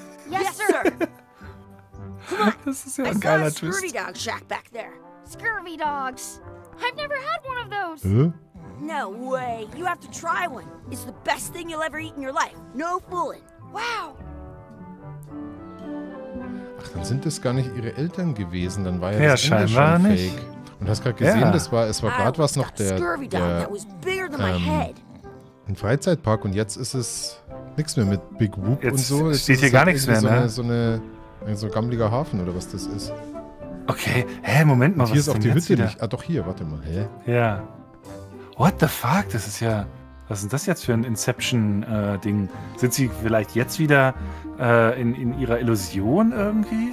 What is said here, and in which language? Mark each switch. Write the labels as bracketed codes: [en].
[en] Yes, sir. [de] Das ist ja ein geiler Twist. [en] I saw a scurvy dog shack back there. Scurvy dogs. I've never had one of those. No way. You have to try one. It's the best thing you'll ever eat in your life. No fooling. Wow. [de] Ach, dann sind das gar nicht ihre Eltern gewesen. Dann war ja das scheinbar schon nicht. Fake. Und hast gerade gesehen, ja. Das war gerade was noch der [en] scurvy dog that was bigger than my head. [de] Ein Freizeitpark und jetzt ist es nichts mehr mit Big Whoop jetzt und so. Jetzt steht hier gar nichts mehr, ne? So ein gammeliger Hafen oder was das ist. Okay, hä, Moment mal, hier hier ist auch denn die Hütte wieder? Nicht. Ah, doch hier, warte mal, hä? Ja. [en] What the fuck? [de] Das ist ja. Was ist denn das jetzt für ein Inception-Ding? Sind sie vielleicht jetzt wieder in ihrer Illusion irgendwie?